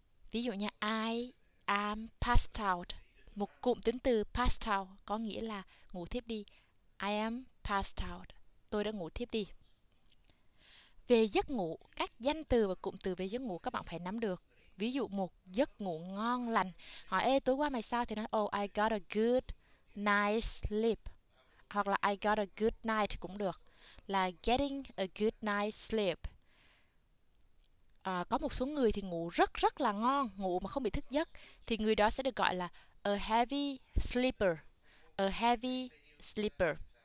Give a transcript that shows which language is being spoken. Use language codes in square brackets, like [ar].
[vi] Ví dụ nha, [en] I am passed out. [vi] Một cụm tính từ passed out có nghĩa là ngủ thiếp đi. [en] I am passed out. [vi] Tôi đã ngủ thiếp đi. Về giấc ngủ, các danh từ và cụm từ về giấc ngủ các bạn phải nắm được. Ví dụ một giấc ngủ ngon lành. Hỏi, ê, tối qua mày sao? Thì nó, [en] oh, I got a good night's sleep. [vi] Hoặc là [en] I got a good night [vi] cũng được, là [en] getting a good night's sleep. [vi] Có một số người thì ngủ rất rất là ngon, ngủ mà không bị thức giấc, thì người đó sẽ được gọi là [en] a heavy sleeper, a heavy sleeper.